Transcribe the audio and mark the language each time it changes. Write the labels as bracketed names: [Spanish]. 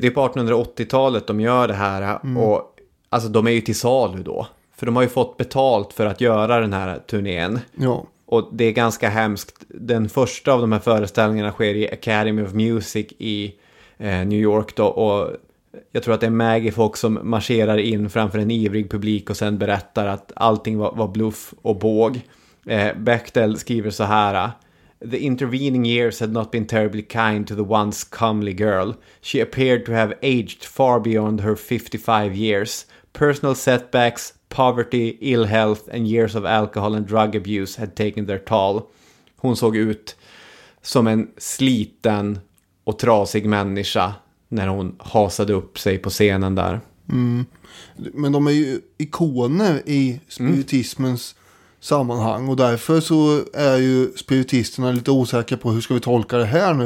[Swedish] Det är på 1880-talet de gör det här och alltså de är ju till salu då, för de har ju fått betalt för att göra den här turnén. Ja. Och det är ganska hemskt. Den första av de här föreställningarna sker i Academy of Music i New York då, och jag tror att det är Maggie Fox som marscherar in framför en ivrig publik och sen berättar att allting var bluff och båg. Bechdel skriver så här: [English] "The intervening years had not been terribly kind to the once comely girl. She appeared to have aged far beyond her 55 years. Personal setbacks, poverty, ill health and years of alcohol and drug abuse had taken their toll." [Swedish] Hon såg ut som en sliten och trasig människa när hon hasade upp sig på scenen där. Mm. Men de är ju ikoner i spiritismens sammanhang. Och därför så är ju spiritisterna lite osäkra på hur ska vi tolka det här nu?